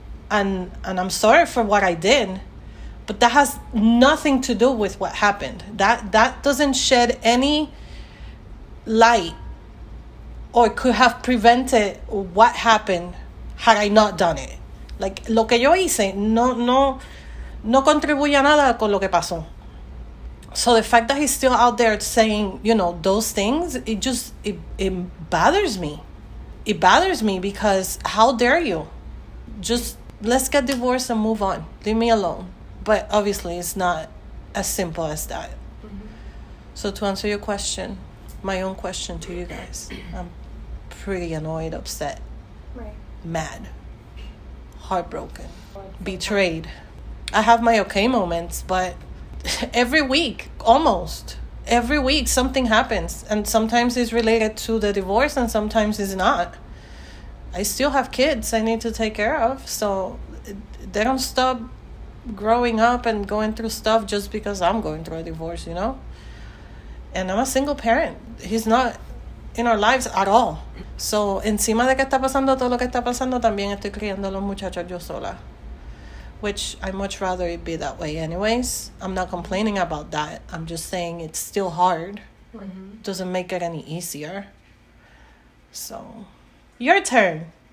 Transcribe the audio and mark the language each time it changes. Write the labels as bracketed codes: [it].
[en] And I'm sorry for what I did. But that has nothing to do with what happened. That doesn't shed any light, or could have prevented what happened had I not done it. [es] Like, lo que yo hice no contribuye nada con lo que pasó. [en] So the fact that he's still out there saying, you know, those things, it bothers me. It bothers me because how dare you? Just let's get divorced and move on. Leave me alone. But obviously, it's not as simple as that. Mm-hmm. So to answer your question, my own question to you guys, I'm pretty annoyed, upset, right, mad, heartbroken, betrayed. I have my okay moments, but every week, almost every week, something happens. And sometimes it's related to the divorce and sometimes it's not. I still have kids I need to take care of. So they don't stop growing up and going through stuff just because I'm going through a divorce, you know? And I'm a single parent. He's not in our lives at all. [es] So encima de que está pasando todo lo que está pasando, también estoy criando los muchachos yo sola. [en] Which I much rather it be that way anyways. I'm not complaining about that. I'm just saying it's still hard. Mm-hmm. Doesn't make it any easier. So, your turn.